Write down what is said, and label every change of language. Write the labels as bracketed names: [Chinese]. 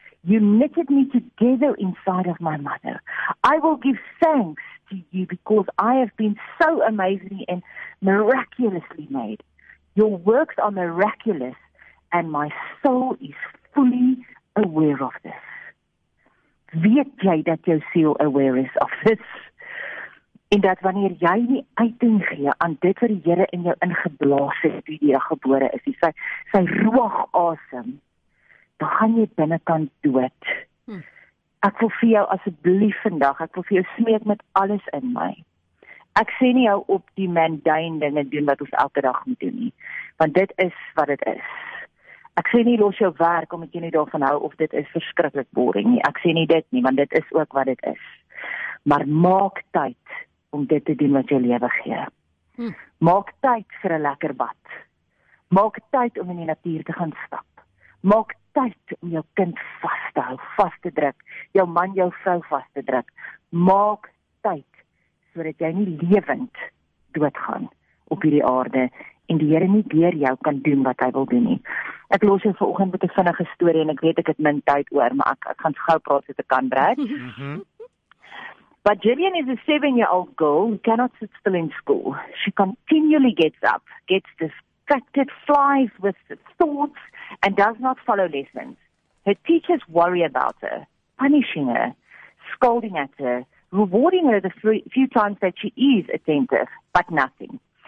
[English] You knitted me together inside of my mother. I will give thanks to you because I have been so amazingly and miraculously made. Your works are miraculous and my soul is fully aware of this. [Afrikaans] Weet jy dat jou siel aware is [English] of this? [Afrikaans] En dat wanneer jy nie uiting gee aan dit wat die Here in jou ingeblaas het, toe jy gebore is, sy ruag asem, dan gaan jy binnekant dood. Ek wil vir jou asseblief vandag, ek wil vir jou smeek met alles in my. Ek sê nie jou op die mundane dinge doen wat ons elke dag moet doen nie, want dit is wat dit is. Ek sê nie los jou werk omdat jy nie daarvan hou of dit is verskriklik boring nie. Ek sê nie dit nie, want dit is ook wat dit is. Maar maak tyd om dit te doen wat jou lewe gee. Maak tyd vir 'n lekker bad. Maak tyd om in die natuur te gaan stap. Maak tyd om jou kind vas te hou, vas te druk, jou man, jou vrou vas te druk. Maak tyd sodat jy nie lewend doodgaan op hierdie aarde en die Here nie deur jou kan doen wat hy wil doen nie. Ek los jou vanoggend met 'n vinnige storie en ek weet ek het min tyd oor, maar ek gaan gou praat so ek kan breek. [English] But Jillian is a 7-year-old girl who cannot sit still in school. She continually gets up, gets distracted, flies with thoughts, and does not follow lessons. Her teachers worry about her, punishing her, scolding at her, rewarding her the few times that she is attentive, but nothing.